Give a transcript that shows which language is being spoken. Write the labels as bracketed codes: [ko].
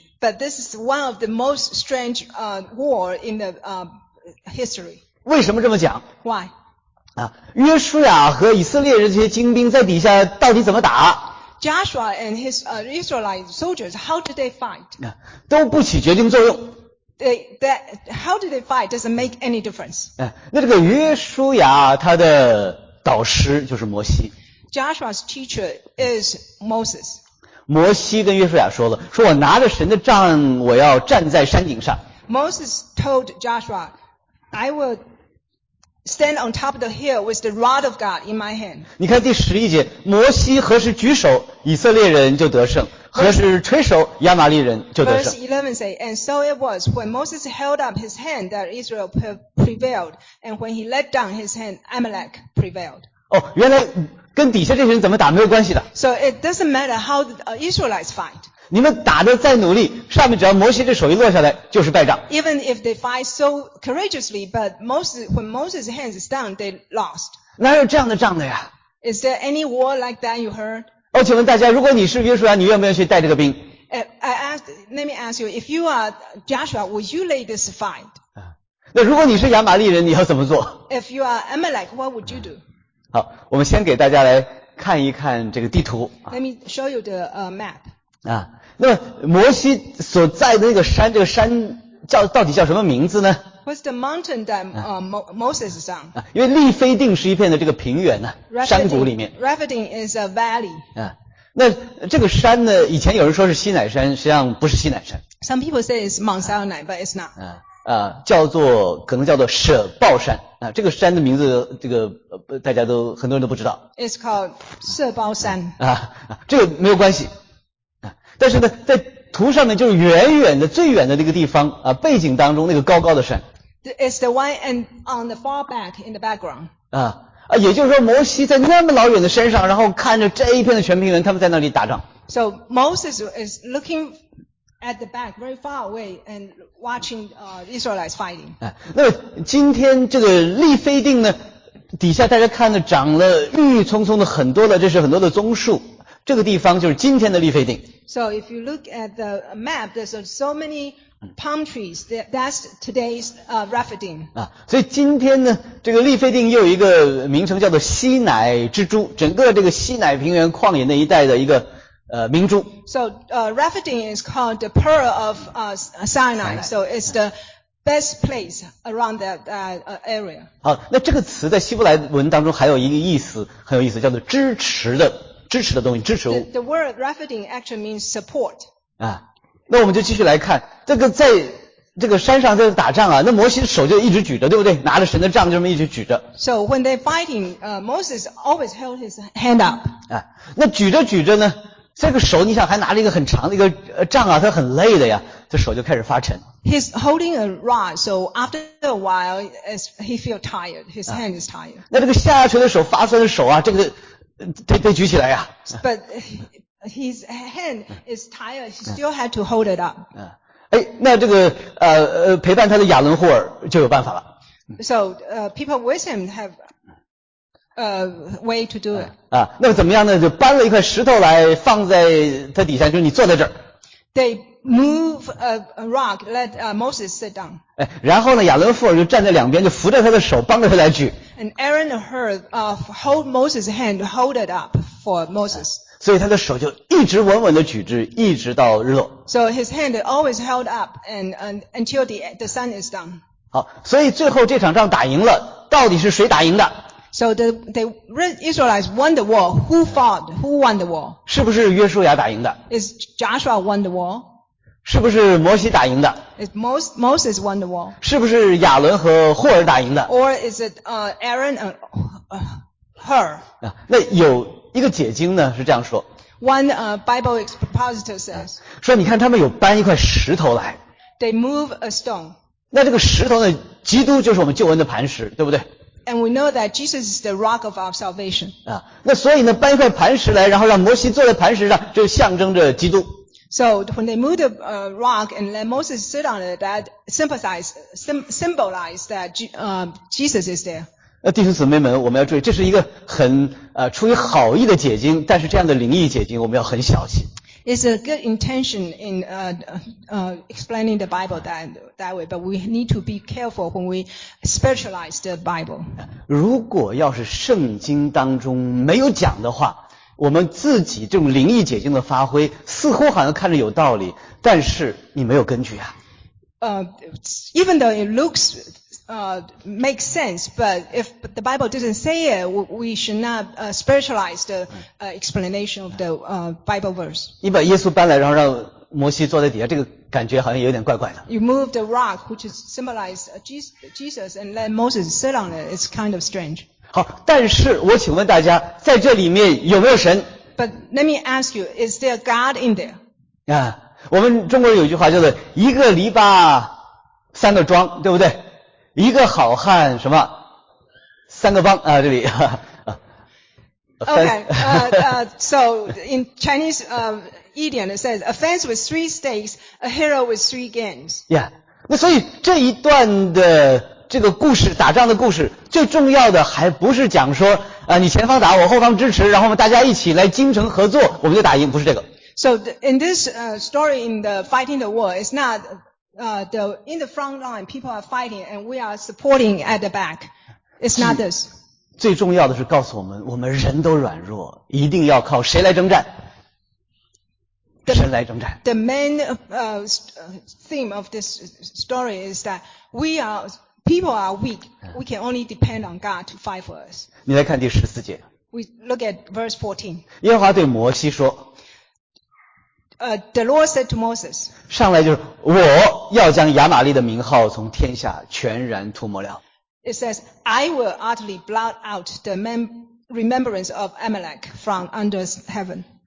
[en] But this is one of the most strange war in the history. [zh] 为什么这么讲？ [en] Why? [zh] 约书亚和以色列人这些精兵在底下到底怎么打？ [en] Joshua and his Israelite soldiers, how did they fight? [zh] 都不起决定作用。 [en] How did they fight? Doesn't make any difference. [zh] 那这个约书亚他的导师就是摩西。 [en] Joshua's teacher is Moses. [zh] 摩西跟约书亚说了，说我拿着神的杖，我要站在山顶上。 [en] Moses told Joshua, I will stand on top of the hill with the rod of God in my hand. [zh] 你看第十一节，摩西何时举手，以色列人就得胜；何时吹手，亚玛力人就得胜。 [en] Verse 11 say, and so it was when Moses held up his hand that Israel prevailed, and when he let down his hand, Amalek prevailed. [zh] 哦，原来。跟底下这些人怎么打没有关系的。 [en] So it doesn't matter how the Israelites fight. [zh] 你们打得再努力，上面只要摩西这手一落下来，就是败仗。 [en] Even if they fight so courageously, but when Moses' hands is down, they lost. [zh] 哪有这样的仗的呀？ [en] Is there any war like that you heard? [zh] 哦，请问大家，如果你是约书亚，你愿不愿意去带这个兵？ [en] Let me ask you, if you are Joshua, would you lead this fight? [zh] 那如果你是亚玛力人，你要怎么做？ [en] If you are Amalek, what would you do? [zh] 好，我们先给大家来看一看这个地图。 [en] Let me show you the map. [zh] 那摩西所在的那个山，这个山叫到底叫什么名字呢 [en] ？What's the mountain that Moses is on? [zh] 因为利非定是一片的这个平原呢、山谷里面。 [en] Rephidim is a valley. [zh] 那这个山呢，以前有人说是西乃山，实际上不是西乃山。 [en] Some people say it's Mount Sinai, but it's not. [zh] 叫做可能叫做舍报山啊，这个山的名字，这个大家都很多人都不知道。 [en] It's called 舍报山 [zh] 啊，这个没有关系啊。但是呢，在图上面就是远远的最远的那个地方啊，背景当中那个高高的山。 [en] It's the one and on the far back in the background. [zh] 也就是说摩西在那么老远的山上，然后看着这一片的全平原，他们在那里打仗。 [en] So Moses is looking. At the back, very far away, and watching Israelites fighting. [zh] 那今天这个利非定呢，底下大家看呢，长了郁郁葱葱的很多的，这是很多的棕树。这个地方就是今天的利非定。 [en] So if you look at the map, there's so many palm trees. That's today's Rephidim. [zh] 所以今天呢，这个利非定又有一个名称叫做西乃之珠，整个这个西乃平原旷野那一带的一个。明珠。 [en] So, Rephidim is called the pearl of Sinai. So it's the best place around that area. [zh] 好，那这个词在希伯来文当中还有一个意思，很有意思，叫做支持的东西，支持物。 [en] The word Rephidim actually means support. [zh] 那我们就继续来看，这个在这个山上在打仗啊，那摩西手就一直举着，对不对？拿着神的杖就这么一直举着。 [en] So when they're fighting, Moses always held his hand up. [zh] 那举着举着呢？这个手你想还拿着一个很长的一个杖啊，他很累的呀，这手就开始发沉。 [en] He's holding a rod, so after a while, he feels tired. His hand is tired. [zh] 那这个下垂的手、发酸的手啊，这个得举起来呀。 [en] But his hand is tired. He still had to hold it up. [zh] 那这个陪伴他的亚伦霍尔就有办法了。 [en] So people with him have. Way to do it. [zh] 那怎么样呢？就搬了一块石头来放在他底下，就是你坐在这儿。 [en] They move a rock, let Moses sit down. [zh] 然后呢，亚伦霍尔就站在两边，就扶着他的手，帮着他来举。 [en] And Aaron and Hur hold Moses' hand, hold it up for Moses. [zh] 所以他的手就一直稳稳的举着，一直到日落。 [en] So his hand always held up and until the sun is down. [zh] 好，所以最后这场仗打赢了，到底是谁打赢的？ [en] So the Israelites won the war. Who fought? Who won the war? [zh] 是不是约书亚打赢的？ [en] Is Joshua won the war? [zh] 是不是摩西打赢的？ [en] Is Moses won the war? [zh] 是不是亚伦和霍尔打赢的？ [en] Or is it Aaron and Hur? [zh] 那有一个解经呢，是这样说。 [en] One Bible expositor says. [zh] 说你看他们有搬一块石头来。 [en] They move a stone. [zh] 那这个石头呢，基督就是我们救恩的磐石，对不对？ [en] And we know that Jesus is the rock of our salvation. [zh] 啊，那所以呢，搬一块磐石来，然后让摩西坐在磐石上，就象征着基督。 [en] So when they move the rock and let Moses sit on it, that symbolizes that Jesus is there. [zh] 弟兄姊妹们，我们要注意，这是一个很出于好意的解经，但是这样的灵异解经，我们要很小心。 [en] It's a good intention in explaining the Bible that way, but we need to be careful when we spiritualize the Bible. [zh] 如果要是圣经当中没有讲的话，我们自己这种灵异解经的发挥，似乎好像看着有道理，但是你没有根据啊。 [en] Even though it looks makes sense, but if the Bible doesn't say it, we should not spiritualize the explanation of the Bible verse. [zh] 你把耶稣搬来，然后让摩西坐在底下，这个感觉好像有点怪怪的。 [en] You move the rock, which is symbolized Jesus, and let Moses sit on it. It's kind of strange. [zh] 好，但是我请问大家，在这里面有没有神？ [en] But let me ask you, is there God in there? [zh] 啊，我们中国人有句话叫做一个篱笆三个桩，对不对？一个好汉什么三个帮啊，这里。 [en] Okay, so in Chinese idiom it says, a fence with three stakes, a hero with three games. Yeah. [zh] 那所以这一段的这个故事，打仗的故事，最重要的还不是讲说你前方打我后方支持，然后我们大家一起来精诚合作我们就打赢，不是这个。 [en] So, in this story in the fighting the war, it's not,in the front line, people are fighting and we are supporting at the back. It's not this. [zh] 最重要的是告诉我们，我们人都软弱，一定要靠谁来征战？神来征战。 [en] The main theme of this story is that people are weak. We can only depend on God to fight for us. [zh] 你来看第十四节。 [en] We look at verse 14. [zh] 耶和华对摩西说， [en] The Lord said to Moses, [zh] 上来就是我要将亚玛利的名号从天下全然涂抹了。 [en] It says, I will utterly blot out the remembrance of Amalek from under heaven.